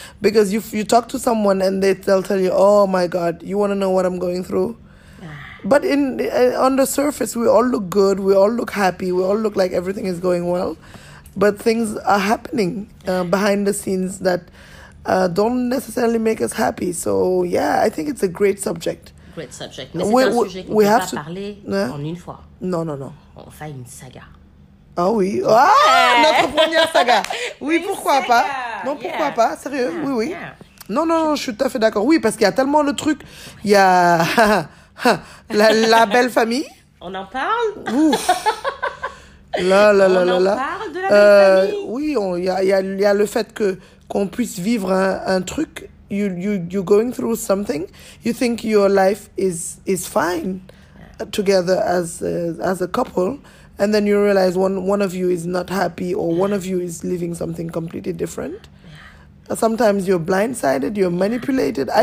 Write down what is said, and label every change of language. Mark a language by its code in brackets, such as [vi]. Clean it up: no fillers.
[en] Because you talk to someone and they'll tell you, oh my God, you want to know what I'm going through? But on the surface, we all look good. We all look happy. We all look like everything is going well. But things are happening behind the scenes that don't necessarily make us happy. So yeah, I think it's a great subject. [fr] Mais c'est un sujet qu'on peut pas parler en une fois. Non. On fait une saga. Ah oui, ah, yeah, notre première saga. Oui, pourquoi saga. Pas? Non, pourquoi, [en] yeah, [fr] pas? Sérieux? [en] Yeah. [fr] Oui, oui. [en] Yeah. [fr] Non, je suis tout à fait d'accord. Oui, parce qu'il y a tellement le truc. Il y a la belle famille. On en parle? Ouf. Là. On en parle de la belle famille? Oui, il y a le fait qu'on puisse vivre un truc. [en] You're going through something. You think your life is fine, yeah, together as a couple. And then you realize one of you is not happy, or one of you is living something completely different. Yeah. Sometimes you're blindsided, you're manipulated. Yeah.